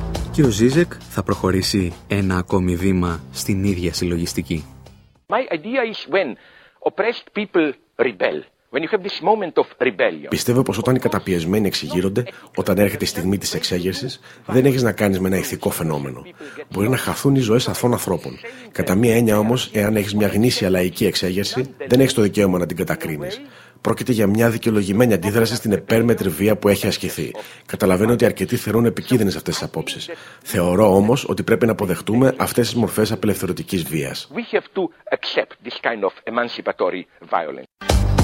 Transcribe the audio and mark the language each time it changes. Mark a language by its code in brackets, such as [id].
[el] Και ο Ζίζεκ θα προχωρήσει ένα ακόμη βήμα στην ίδια συλλογιστική. [en] My idea is when oppressed people rebel. When you have this moment of rebellion. [el] Πιστεύω πως όταν οι καταπιεσμένοι εξηγείρονται, όταν έρχεται η στιγμή της εξέγερσης, δεν έχεις να κάνεις με ένα ηθικό φαινόμενο. Μπορεί να χαθούν οι ζωές αθών ανθρώπων. Κατά μία έννοια όμως, εάν έχεις μια γνήσια λαϊκή εξέγερση, δεν έχεις το δικαίωμα να την κατακρίνεις. Πρόκειται για μια δικαιολογημένη αντίδραση στην επέρμετρη βία που έχει ασκηθεί. Καταλαβαίνω ότι αρκετοί θεωρούν επικίνδυνες αυτές τις απόψεις. Θεωρώ όμως ότι πρέπει να αποδεχτούμε αυτές τις μορφές απελευθερωτικής βίας. [en] We have to accept this kind of emancipatory violence.